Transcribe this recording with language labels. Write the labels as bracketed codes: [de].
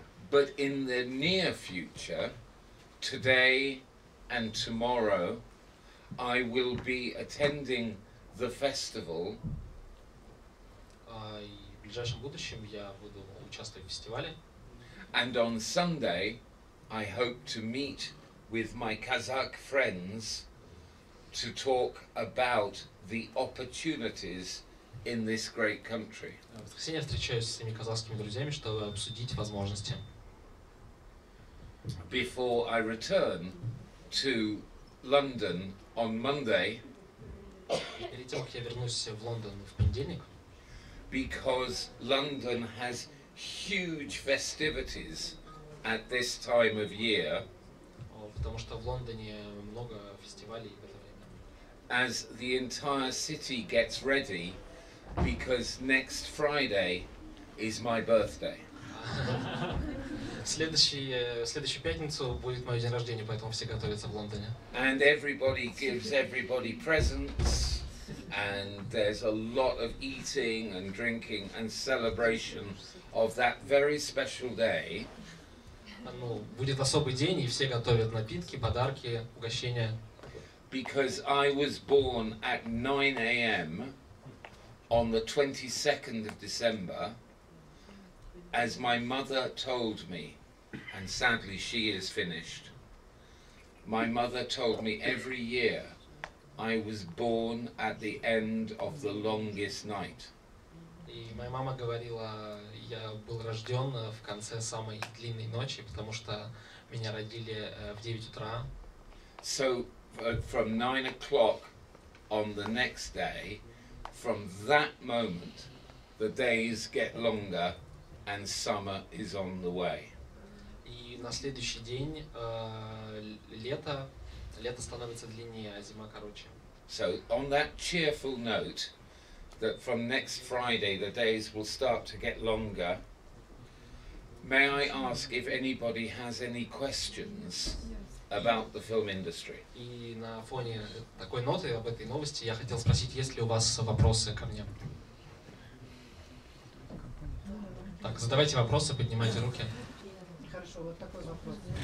[en] But in the near future, today and tomorrow, I will be attending the festival. [ru] В ближайшем будущем я буду участвовать в фестивале. [en] And on Sunday, I hope to meet with my Kazakh friends to talk about the opportunities in this great country. [ru] Я встречаюсь с моими казахскими друзьями, чтобы обсудить возможности. [en] Before I return to London on Monday. [ru] Перед тем, как я вернусь в Лондон в понедельник. [en] Because London has huge festivities at this time of year. [ru] Потому что в Лондоне много фестивалей. [en] As the entire city gets ready, because next Friday is my birthday. [ru] Следующую пятницу будет мой день рождения, поэтому все готовятся в Лондоне. [en] And everybody gives everybody presents, and there's a lot of eating and drinking and celebration of that very special day. [ru] Ну, будет особый день, и все готовят напитки, подарки, угощения. [en] Because I was born at 9 a.m. on the 22nd of December, as my mother told me, and sadly she is finished. My mother told me every year I was born at the end of the longest night. [ru] И моя мама говорила, я был рожден в конце самой длинной ночи, потому что меня родили в 9 утра. [en] So, from 9 o'clock on the next day, from that moment, the days get longer and summer is on the way. [ru] И на следующий день лето становится длиннее, а зима короче. [en] So, on that cheerful note, that from next Friday the days will start to get longer. May I ask if anybody has any questions about the film industry? [ru] И на фоне такой ноты об этой новости я хотел спросить, есть ли у вас вопросы ко мне? Так, задавайте вопросы, поднимайте руки. Хорошо, вот такой вопрос.